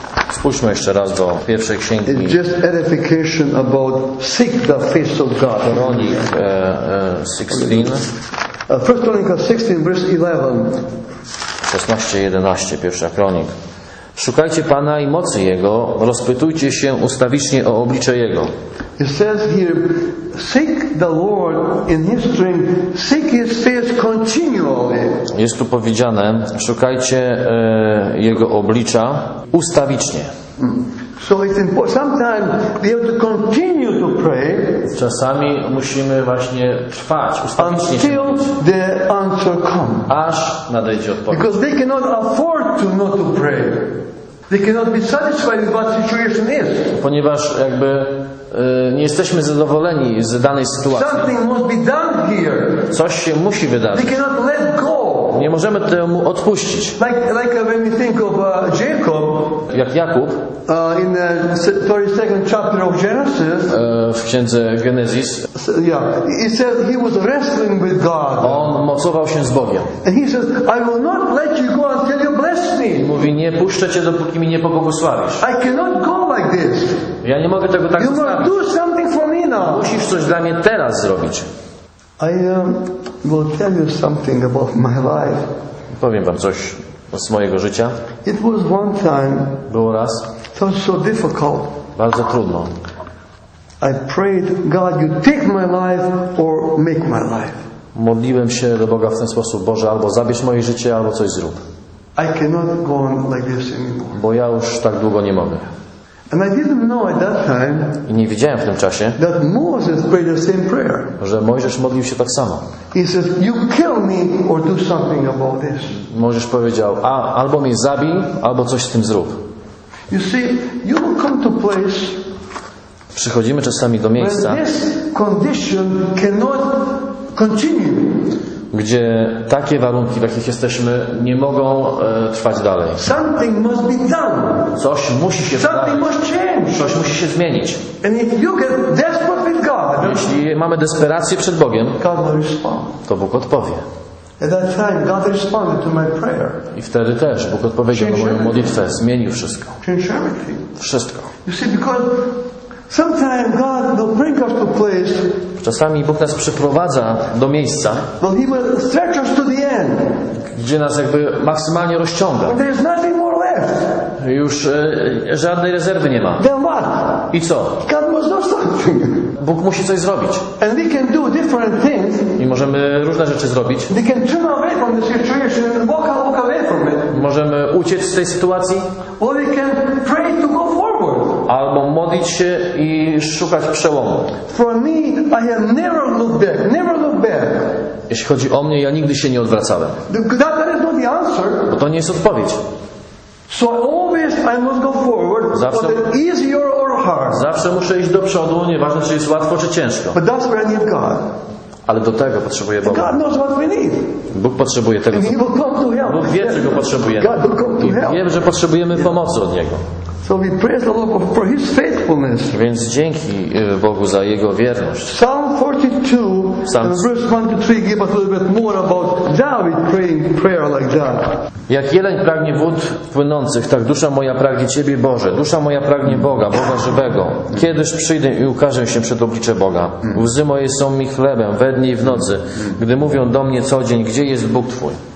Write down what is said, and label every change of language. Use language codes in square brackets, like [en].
[pl] Spójrzmy jeszcze raz do pierwszej księgi. [en] It's just edification about seek the face of God. [pl] Chronik 16. [en] 1 Chronicles 16, verse 11. [pl] 16:11, pierwsza Kronik. Szukajcie Pana i mocy Jego, rozpytujcie się ustawicznie o oblicze Jego. [en] It says here, seek the Lord in His strength, seek His face continually. [pl] Jest tu powiedziane, szukajcie Jego oblicza ustawicznie. [en] So it's important. Sometimes we have to continue to pray. [pl] Czasami musimy właśnie trwać, ustawicznie się modlić, [en] the answer comes. [pl] Aż nadejdzie odpowiedź. [en] Because they cannot afford to not to pray. They cannot be satisfied with what situation is. [pl] Ponieważ jakby nie jesteśmy zadowoleni z danej sytuacji. [en] Something must be done here. [pl] Coś się musi wydarzyć. [en] They cannot let go. [pl] Nie możemy temu odpuścić. [en] Like when we think of Jacob. [pl] Jak Jakub. [en] In the 32nd chapter of Genesis. [pl] W księdze Genesis. [en] Yeah, he said he was wrestling with God. [pl] On mocował się z Bogiem. [en] And he says, I will not let you go until you bless me. [pl] Mówi, nie puszczę cię, dopóki mi nie pobłogosławisz. [en] I cannot go like this. [pl] Ja nie mogę tego tak zostawić. [en] You must do something for me now. [pl] Musisz coś dla mnie teraz zrobić. [en] I will tell you something about my life. [pl] Powiem wam coś z mojego życia. [en] It was one time. [pl] Było raz. [en] It was so difficult. [pl] Bardzo trudno. [en] I prayed, God, you take my life or make my life. [pl] Modliłem się do Boga w ten sposób, Boże, albo zabierz moje życie, albo coś zrób. [en] I cannot go on like this anymore. [pl] Bo ja już tak długo nie mogę. [en] And I didn't know at that time, [pl] i nie wiedziałem w tym czasie, [en] that Moses prayed the same prayer. [pl] Że Mojżesz modlił się tak samo. [en] He says, you kill me or do something about this. [pl] Mojżesz powiedział, a albo mnie zabij, albo coś z tym zrób. [en] You see, you come to place, [pl] przychodzimy czasami do miejsca, [en] where this condition cannot continue. [pl] Gdzie takie warunki, w jakich jesteśmy, nie mogą trwać dalej. [en] Something must be done. [pl] Coś musi się zmienić. Coś musi się zmienić. [en] And if you get desperate with God, [pl] jeśli mamy desperację przed Bogiem, [en] God will respond. [pl] To Bóg odpowie. [en] At that time, God responded to my prayer. [pl] I wtedy też Bóg odpowiedział na moją modlitwę. Zmienił wszystko. Wszystko. [en] You see, because sometimes God will bring us to place. [pl] Czasami Bóg nas przyprowadza do miejsca, [en] well, he will stretch us to the end. [pl] Gdzie nas jakby maksymalnie rozciąga. [en] There is nothing more left. [pl] Już żadnej rezerwy nie ma. [en] Then what? [pl] I co? [en] God must do something. [pl] Bóg musi coś zrobić. [en] And we can do different things. [pl] I możemy różne rzeczy zrobić. [en] We can turn away from the situation and walk away from it. [pl] Możemy uciec z tej sytuacji. [en] Or we can pray to go forward. [pl] Albo modlić się i szukać przełomu. [en] For me, I have never looked back, never looked back. [pl] Jeśli chodzi o mnie, ja nigdy się nie odwracałem. [en] That is not the answer. [pl] Bo to nie jest odpowiedź. [en] So always I must go forward, [pl] zawsze, [en] but easier or hard. [pl] Zawsze muszę iść do przodu, nieważne czy jest łatwo czy ciężko. [en] But that's where I need God. [pl] Ale do tego potrzebuje Boga. [en] God knows what we need. [pl] Bóg potrzebuje tego. [en] And he will come to help. [pl] Bóg wie, czego potrzebujemy. [en] God will come to help. [pl] I wiem, że potrzebujemy pomocy od Niego. [en] So we praise the Lord for his faithfulness. [pl] Więc dzięki Bogu za jego wierność. [en] Psalm 42, verse 1-3 give us a little bit more about David praying prayer like that. [pl] Jak jeleń pragnie wód płynących, tak dusza moja pragnie Ciebie, Boże. Dusza moja pragnie Boga, Boga żywego. Kiedyż przyjdę i ukażę się przed oblicze Boga? Łzy moje są mi chlebem we dnie i w nocy, gdy mówią do mnie co dzień, gdzie jest Bóg Twój?